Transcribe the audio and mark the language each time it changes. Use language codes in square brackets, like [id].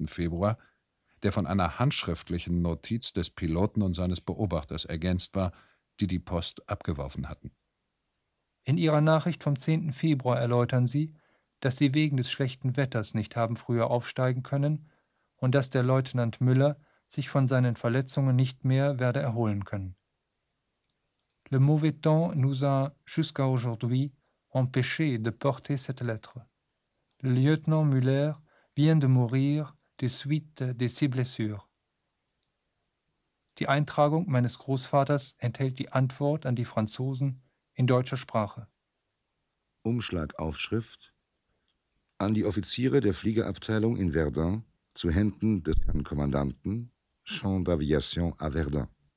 [de] Februar, der von einer handschriftlichen Notiz des Piloten und seines Beobachters ergänzt war, die die Post abgeworfen hatten. In Ihrer Nachricht vom 10. Februar erläutern Sie, dass Sie wegen des schlechten Wetters nicht haben früher aufsteigen können und dass der Leutnant Müller sich von seinen Verletzungen nicht mehr werde erholen können. [fr] Le mauvais temps nous a jusqu'à aujourd'hui empêché de porter cette lettre. Le lieutenant Müller vient de mourir des suites de ses blessures. [de] Die Eintragung meines Großvaters enthält die Antwort an die Franzosen in deutscher Sprache. Umschlagaufschrift: An die Offiziere der Fliegerabteilung in Verdun zu Händen des Herrn Kommandanten, [fr] Champ d'Aviation à Verdun.